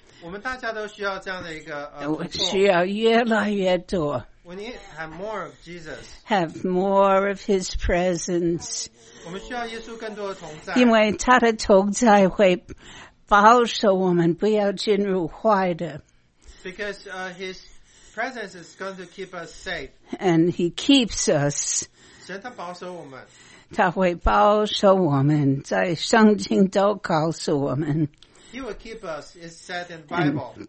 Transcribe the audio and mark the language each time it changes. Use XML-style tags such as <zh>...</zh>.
<zh>我们大家都需要这样的一个需要越来越多。</zh> <en>We need to have more of Jesus. Have more of His presence.</en> <zh>我们需要耶稣更多的同在。因为他的同在会保守我们不要进入坏的。</zh> <en>Because his presence is going to keep us safe. And he keeps us.</en> <zh>神他保守我们。他会保守我们，在圣经都告诉我们。</zh> <en>He will keep us, it's said in the Bible.</en>